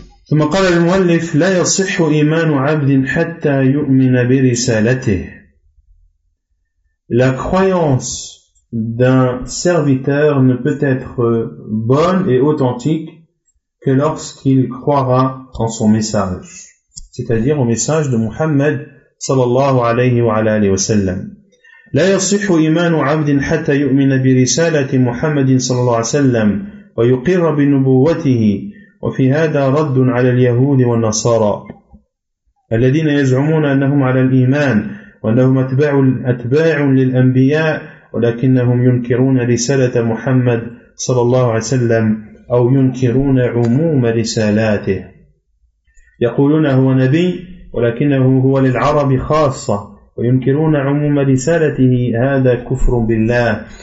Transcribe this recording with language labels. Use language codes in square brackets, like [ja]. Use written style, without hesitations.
[ar] ثم قال المؤلف لا يصح إيمان عبد حتى يؤمن برسالته. [fr] La croyance d'un serviteur ne peut être bonne et authentique que lorsqu'il croira en son message, c'est-à-dire au message de Muhammad sallallahu alayhi wa alayhi wa sallam. [ar] لا يصح إيمان عبد حتى يؤمن برسالة محمد صلى الله عليه وسلم ويقر بنبوته وفي هذا رد على اليهود والنصارى الذين يزعمون أنهم على الإيمان وأنهم أتباع للأنبياء ولكنهم ينكرون رسالة محمد صلى الله عليه وسلم أو ينكرون عموم رسالاته يقولون هو نبي ولكنه هو للعرب خاصة وينكرون عموم رسالته هذا كفر بالله